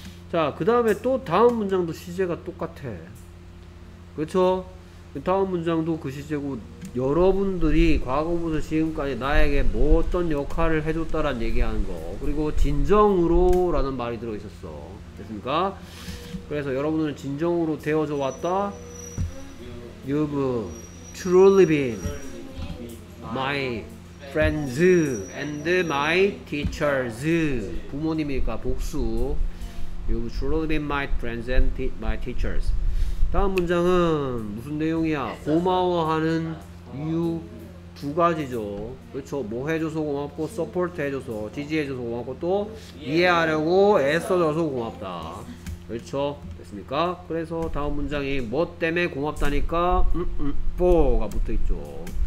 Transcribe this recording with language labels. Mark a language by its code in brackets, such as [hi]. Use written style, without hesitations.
[ko] 자, 그 다음에 또 다음 문장도 시제가 똑같아. 그렇죠? 다음 문장도 그 시제고 여러분들이 과거부터 지금까지 나에게 뭐 어떤 역할을 해줬다란 얘기하는 거, 그리고 진정으로 라는 말이 들어있었어. 됐습니까? 그래서 여러분들은 진정으로 되어져 왔다. [en] You've truly been my friends and my teachers. [ko] 부모님이니까 복수. [en] You've truly been my friends and my teachers. [ko] 다음 문장은 무슨 내용이야? 고마워하는 이유 두 가지죠. 그렇죠. 뭐 해줘서 고맙고, 서포트 해줘서, 지지해줘서 고맙고, 또 이해하려고 애써줘서 고맙다. 그렇죠. 됐습니까? 그래서 다음 문장이 뭐 때문에 고맙다니까 for가 붙어있죠.